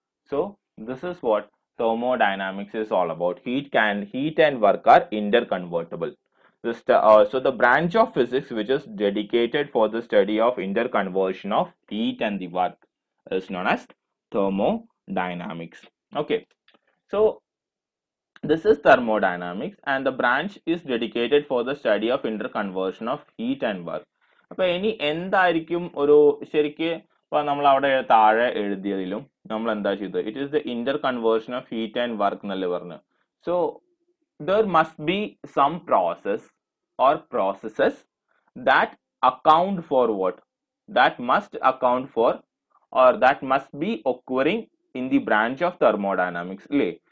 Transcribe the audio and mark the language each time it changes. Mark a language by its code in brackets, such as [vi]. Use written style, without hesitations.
[en] So this is what thermodynamics is all about. Heat and work are interconvertible. So the branch of physics which is dedicated for the study of interconversion of heat and the work is known as thermodynamics. Okay, so This is thermodynamics and the branch is dedicated for the study of interconversion of heat and work. [ml] അപ്പൊ ഇനി എന്തായിരിക്കും ഒരു ശരിക്ക് ഇപ്പൊ നമ്മൾ അവിടെ താഴെ എഴുതിയതിലും നമ്മൾ എന്താ ചെയ്തത്? [en] it is the interconversion of heat and work [ml] എന്നല്ലേ പറഞ്ഞു. [en] so there must be some process or processes that account for what that must account for or that must be occurring in the branch of thermodynamics [ml] അല്ലേ.